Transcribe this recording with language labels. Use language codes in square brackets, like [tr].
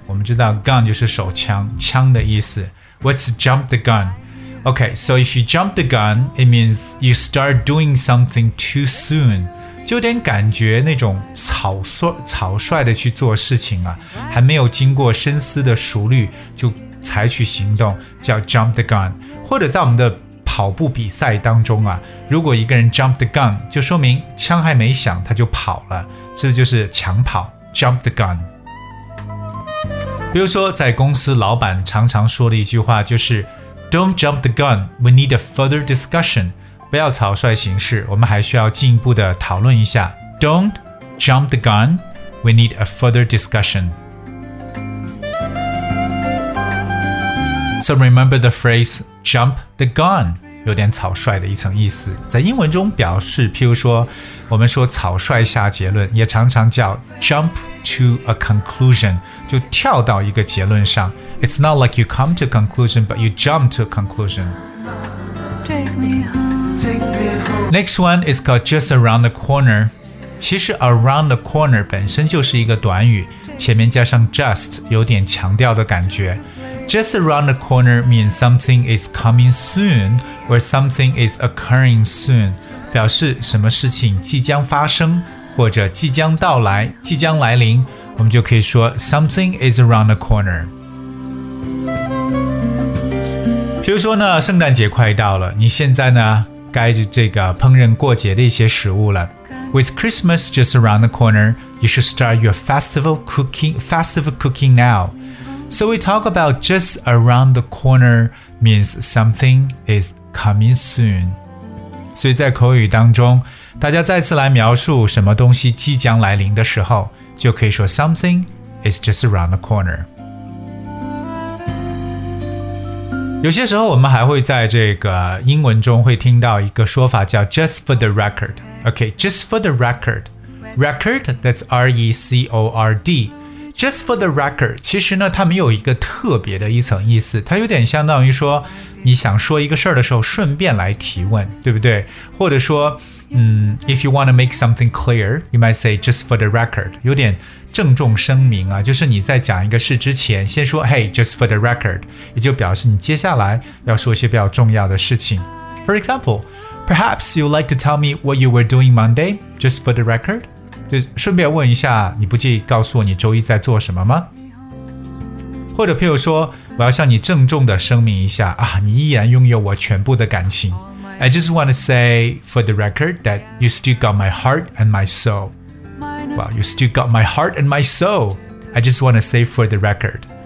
[zh] 我们知道 gun 就是手枪，枪的意思。 [en] What's jump the gun? Okay, so if you jump the gun, it means you start doing something too soon. [zh] 就有点感觉那种草率的去做事情啊，还没有经过深思的熟虑就采取行动，叫 jump the gun。或者在我们的跑步比赛当中啊，如果一个人 jump the gun， 就说明枪还没响他就跑了，这就是抢跑 jump the gun。比如说在公司，老板常常说的一句话就是 [en] "Don't jump the gun, we need a further discussion." [zh] 不要草率行事，我们还需要进一步的讨论一下。 [en] Don't jump the gun, we need a further discussion. So remember the phrase jump the gun, [zh] 有点草率的一层意思。在英文中表示，譬如说，我们说草率下结论，也常常叫 [en] jump to a conclusion, [zh] 就跳到一个结论上。 [en] It's not like you come to a conclusion, but you jump to a conclusion. Take me home. Next one is called just around the corner. [zh] 其实 around the corner 本身就是一个短语，前面加上 just 有点强调的感觉。 [en] Just around the corner means something is coming soon or something is occurring soon， [zh] 表示什么事情即将发生或者即将到来、即将来临，我们就可以说 [en] something is around the corner。 [zh] 比如说呢，圣诞节快到了，你现在呢该这个烹饪过节的一些食物了。 [en] With Christmas just around the corner, you should start your festival cooking now. So we talk about just around the corner means something is coming soon. [zh] 所以在口语当中，大家再次来描述什么东西即将来临的时候，就可以说 [en] something is just around the corner. [zh] 有些时候我们还会在这个英文中会听到一个说法叫 [en] just for the record. Okay, just for the record. Record, that's R-E-C-O-R-D. Just for the record, [zh] 其实呢它没有一个特别的一层意思，它有点相当于说你想说一个事儿的时候顺便来提问，对不对？或者说 [en] if you want to make something clear, you might say just for the record. [zh] 有点郑重声明啊，就是你在讲一个事之前先说 [en] hey, just for the record. [zh] 也就表示你接下来要说一些比较重要的事情。 [en] For example, perhaps you'd like to tell me what you were doing Monday, just for the record. [zh] 就顺便问一下，你不介意告诉我你周一在做什么吗？或者譬如说，我要向你郑重的声明一下啊，你依然拥有我全部的感情。 [en] I just want to say for the record that you still got my heart and my soul. Wow, you still got my heart and my soul. I just want to say for the record.